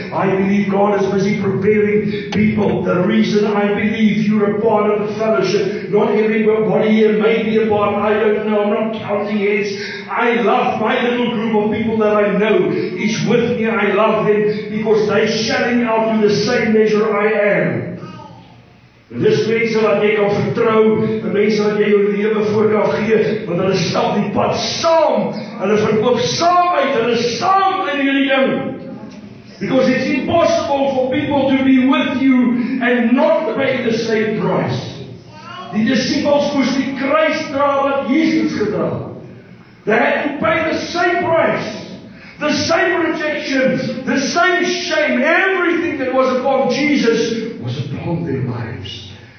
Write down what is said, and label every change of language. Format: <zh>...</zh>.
<en>I believe God is busy preparing people. The reason I believe you're a part of the fellowship, not everybody here may be a part, I don't know, I'm not counting heads. I love my little group of people that I know is with me. I love them because they shouting out in the same measure I am.</en> <af>Dis mense wat jy kan vertrou, mense wat jy jou lewe voor kan gee, want hulle stap die pad saam, hulle verkoop saam uit, hulle saam in hierdie ding.</af> <en>Because it's impossible for people to be with you and not pay the same price.</en> <af>Die disippels moes die kruis dra wat Jesus gedra.</af> <en>They had to pay the same price. The same rejection, the same shame, everything that was upon Jesus was upon their lives.</en>